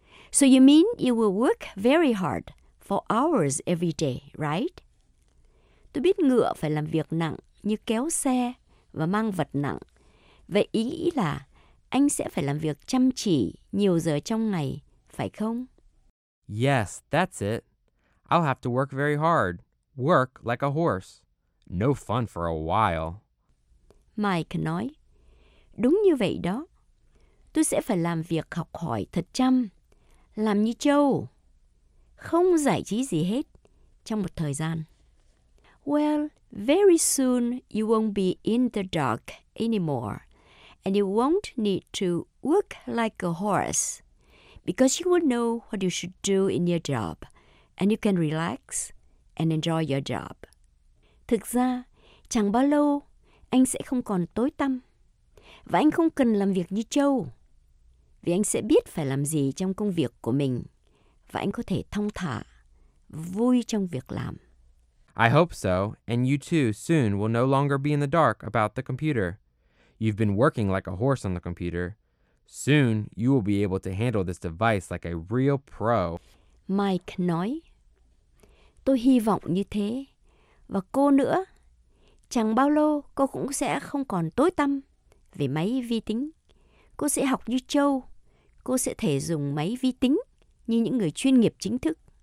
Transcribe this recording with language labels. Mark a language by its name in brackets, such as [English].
[English] So you mean you will work very hard for hours every day, right? [Vietnamese] Tôi biết ngựa phải làm việc nặng như kéo xe và mang vật nặng. Vậy ý là anh sẽ phải làm việc chăm chỉ nhiều giờ trong ngày, phải không? [English] Yes, that's it. I'll have to work very hard. Work like a horse. No fun for a while. [Vietnamese] Mike nói, đúng như vậy đó. Tôi sẽ phải làm việc học hỏi thật chăm, làm như trâu, không giải trí gì hết trong một thời gian. [English] Well, very soon you won't be in the dark anymore, and you won't need to work like a horse, because you will know what you should do in your job, and you can relax and enjoy your job. [Vietnamese] Thực ra, chẳng bao lâu, anh sẽ không còn tối tăm, và anh không cần làm việc như trâu, vì anh sẽ biết phải làm gì trong công việc của mình, và anh có thể thong thả, vui trong việc làm. [English] I hope so, and you too soon will no longer be in the dark about the computer. You've been working like a horse on the computer. Soon, you will be able to handle this device like a real pro. [Vietnamese] Mike nói, tôi hy vọng như thế. Và cô nữa, chẳng bao lâu cô cũng sẽ không còn tối tăm về máy vi tính. Cô sẽ học như trâu. Cô sẽ thể dùng máy vi tính như những người chuyên nghiệp chính thức.